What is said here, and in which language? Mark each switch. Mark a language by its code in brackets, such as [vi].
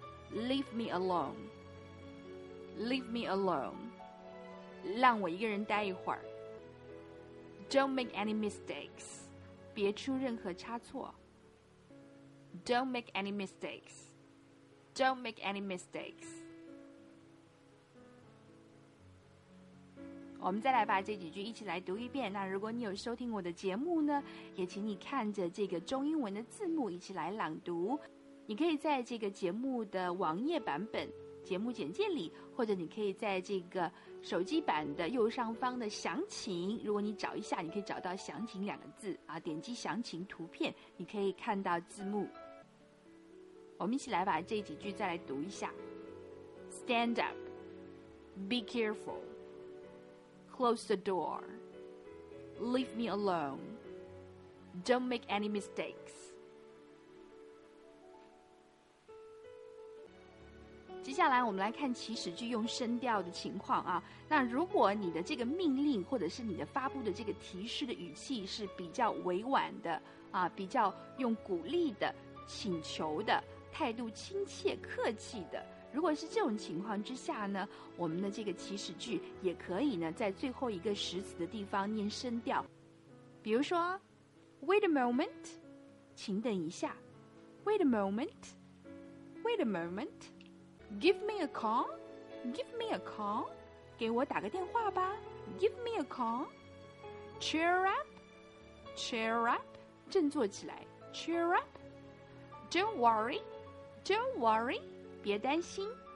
[en] Leave me alone, leave me alone. [zh] 让我一个人待一会儿。 [en] Don't make any mistakes, [zh] 别出任何差错。 [en] Don't make any mistakes, don't make any mistakes. [zh] 我们再来把这几句一起来读一遍。那如果你有收听我的节目呢，也请你看着这个中英文的字幕一起来朗读。你可以在这个节目的网页版本节目简介里，或者你可以在这个手机版的右上方的详情，如果你找一下，你可以找到详情两个字啊，点击详情图片，你可以看到字幕。我们一起来把这几句再来读一下。 [en] Stand up, be carefulClose the door. Leave me alone. Don't make any mistakes. [zh] 接下来我们来看祈使句用声调的情况啊。那如果你的这个命令或者是你的发布的这个提示的语气是比较委婉的啊，比较用鼓励的、请求的态度，亲切客气的，如果是这种情况之下呢，我们的这个祈使句也可以呢在最后一个实词的地方念声调。比如说 [en] Wait a moment, [zh] 请等一下。 [en] Wait a moment, wait a moment. Give me a call, give me a call. [zh] 给我打个电话吧。 [en] Give me a call. Cheer up, cheer up. [zh] 振作起来。 [en] Cheer up. Don't worry, don't worry. [zh] 别担心。